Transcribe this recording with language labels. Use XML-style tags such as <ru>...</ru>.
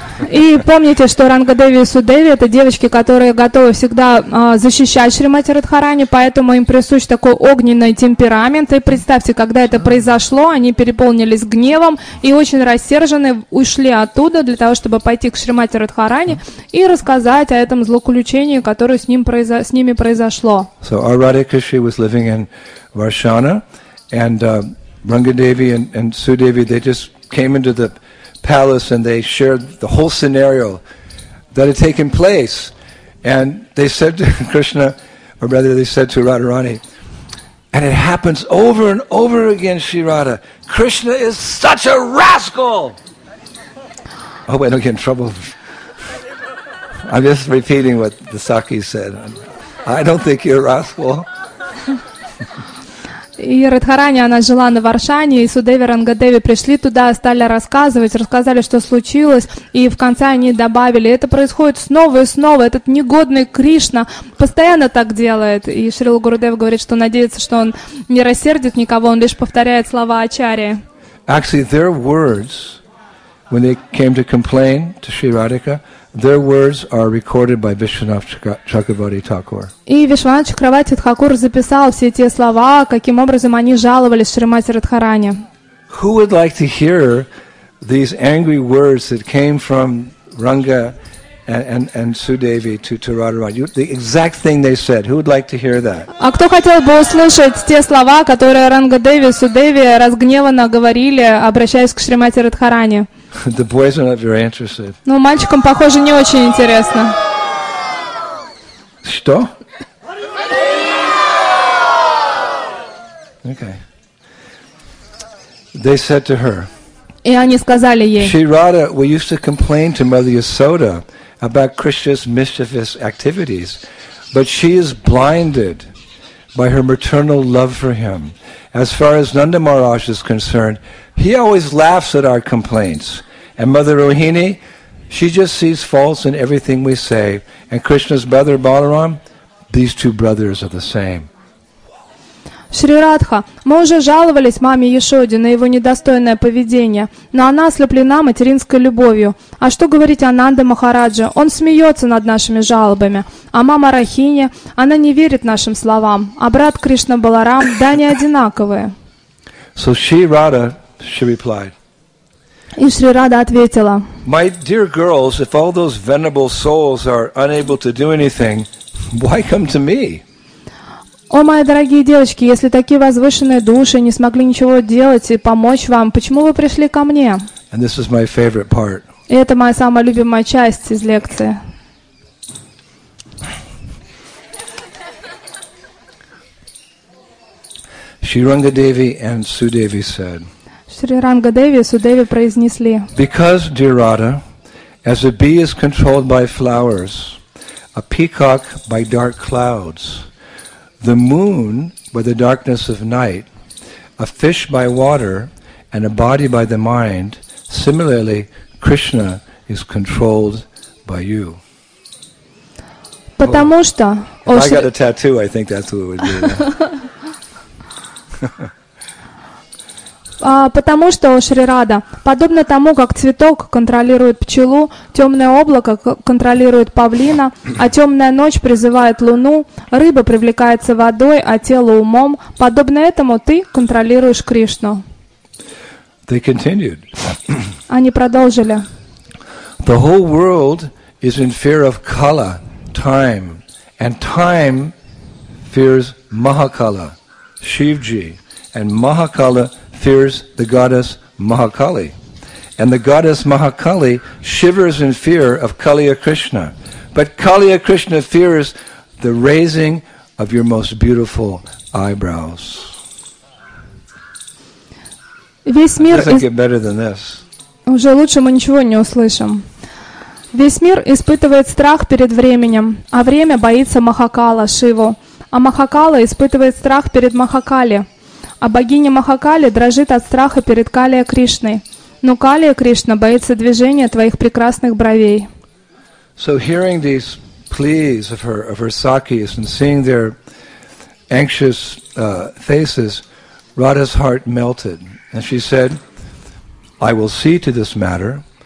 <ru>И помните, что Ранга Деви и Су Деви это девочки, которые готовы всегда защищать Шримати Радхарани, поэтому им присущ такой огненный темперамент. И представьте, когда это произошло, они переполнились гневом и очень рассержены ушли оттуда для того, чтобы пойти к Шримати Радхарани и рассказать о этом злоключении, которое с ними произошло.</ru> <en>So our Radha Krishna was living in Varshana, and Ranga Devi and Su Devi, they just came into the palace and they shared the whole scenario that had taken place, and they said to Krishna, or rather they said to Radharani, and it happens over and over again, Shri Radha, Krishna is such a rascal. Oh, I don't get in trouble. I'm just repeating what the Sakhi said. I don't think you're a rascal.</en> <ru>И Радхарани, она жила на Варшане, и Судеви Рангадеви пришли туда, стали рассказывать, рассказали, что случилось, и в конце они добавили, это происходит снова и снова, этот негодный Кришна постоянно так делает. И Шрила Гурудев говорит, что надеется, что он не рассердит никого, он лишь повторяет слова Ачарьи.</ru> <en>Actually, their words, when they came to complain to Sri Radhika, their words are recorded by Vishwanath Chakravarti Thakur.</en> <ru>И Вишванат Чакравати Тхакур записал все те слова, каким образом они жаловались Шримати Радхарани.</ru> <en>Who would like to hear these angry words that came from Ranga and Sudevi to Radharani? The exact thing they said. Who would like to hear that?</en> <ru>А кто хотел бы услышать те слова, которые Ранга Деви и Судеви разгневанно говорили, обращаясь к Шримати Радхарани?</ru> <en>The boys are not very interested.</en> <ru>Ну, мальчикам, похоже, не очень интересно. Что?</ru> <en>Okay. They said to her.</en> <ru>И они сказали ей.</ru> <en>Shri Radha, we used to complain to Mother Yasoda about Krishna's mischievous activities, but she is blinded by her maternal love for him. As far as Nanda Maharaj is concerned, he always laughs at our complaints. And Mother Rohini, she just sees faults in everything we say. And Krishna's brother Balaram, these two brothers are the same.</en> <ru>Шри Радха, мы уже жаловались маме Яшоде на его недостойное поведение, но она ослеплена материнской любовью. А что говорить о Нанда Махараджа? Он смеется над нашими жалобами. А мама Рахини, она не верит нашим словам. А брат Кришна Баларам, да, они одинаковые.</ru> <en>So she, Radha, she replied.</en> <ru>И Шри Радха ответила.</ru> <en>My dear girls, if all those venerable souls are unable to do anything, why come to me?</en> <ru>О, мои дорогие девочки, если такие возвышенные души не смогли ничего делать и помочь вам, почему вы пришли ко мне?</ru> <en>And this is my favorite part.</en> <ru>И это моя самая любимая часть из лекции.</ru> <en>Sriranga Devi and Sudevi said.</en> <ru>Sriranga Devi и Судеви произнесли.</ru> <en>Because, dear Radha, as a bee is controlled by flowers, a peacock by dark clouds. The moon by the darkness of night, a fish by water, and a body by the mind. Similarly, Krishna is controlled by you.</en> <ru>Потому что</ru> <en>if I got a tattoo, I think that's what it would be.</en> <ru>Потому что, о Шри Радха, подобно тому, как цветок контролирует пчелу, темное облако контролирует павлина, а темная ночь призывает луну, рыба привлекается водой, а тело умом, подобно этому ты контролируешь Кришну.</ru> <en>They continued.</en> <ru>Они продолжили.</ru> <en>The whole world is in fear of Kala, time, and time fears Mahakala, Shivji, and Mahakala fears the goddess Mahakali. And the goddess Mahakali shivers in fear of Kaliya Krishna. But Kaliya Krishna fears the raising of your most beautiful eyebrows.</en> <ru>Весь мир</ru> <en>doesn't get better than this.</en> <ru>Уже лучше мы ничего не услышим. Весь мир испытывает страх перед временем, а время боится Махакала, Шиву. А Махакала испытывает страх перед Махакали. А богиня Махакали дрожит от страха перед Калия Кришной. Но Калия Кришна боится движения твоих прекрасных бровей.</ru> <en>So hearing these pleas of her sakis and seeing their anxious faces, Radha's heart melted. And she said, I will see to this matter.</en>